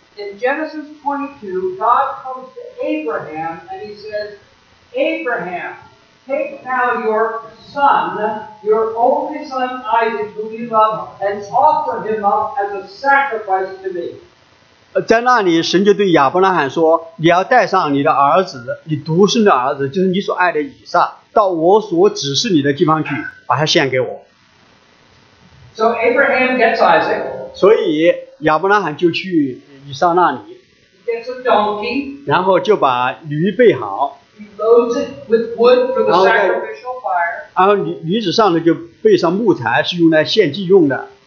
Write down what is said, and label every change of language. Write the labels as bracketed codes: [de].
[en] In Genesis 22, God comes to Abraham and he says, Abraham, take now your son, your only son Isaac, whom you love, and offer him up as a sacrifice to me. [zh] 在那里神就对亚伯拉罕说，你要带上你的儿子，你独生的儿子，就是你所爱的以撒，到我所指示你的地方去，把他献给我。 [en] So Abraham gets Isaac. [zh] 所以亚伯拉罕就去以撒那里。 [en] Gets a donkey. [zh] 然后就把驴备好。 [en] He loads it with wood for the sacrificial fire. [zh] 然后驴子上呢就备上木材，是用来献祭用的。